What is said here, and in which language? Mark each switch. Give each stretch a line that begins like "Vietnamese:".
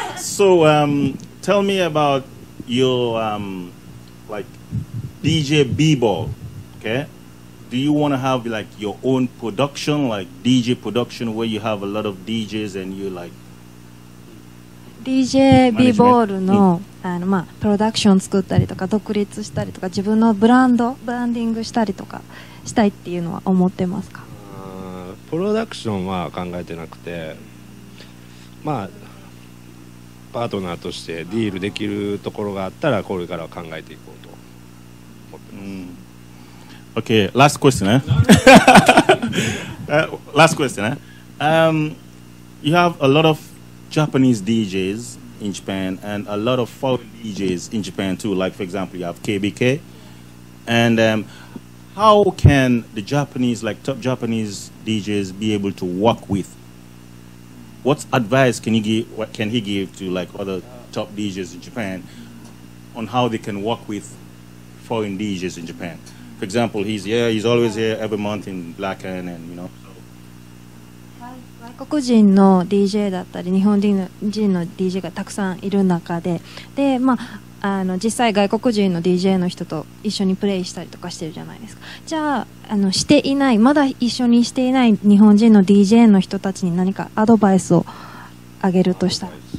English: So, tell me about your like DJ B-ball. Okay. Do you want to have like your own production, like DJ production, where you have a lot of DJs and you like
Japanese: DJ B BALL の、 あの、まあ、プロダクション作ったりとか独立したりとか自分のブランドブランディングしたりとかしたいっていうのは思ってますか？プロダクションは考えてなくて、まあパートナーとしてディールできるところがあったらこれからは考えていこうと思ってます。
English: Okay, last question, eh? last question, eh? You have a lot of Japanese DJs in Japan and a lot of foreign DJs in Japan too. Like, for example, you have KBK. And how can the Japanese, like top Japanese DJs, be able to work with? What advice can he give, what can he give to like other top DJs in Japan on how they can work with foreign DJs in Japan? For example, he's always here every month in BLACKAN and, you know.
Japanese: 外国人の DJ だったり、日本人の DJ がたくさんいる中で、で、まあ、あの、実際外国人の DJ の人と一緒にプレイしたりとかしてるじゃないですか。じゃあ、あの、していない、まだ一緒にしていない日本人の DJ の人たちに何かアドバイスをあげるとしたら。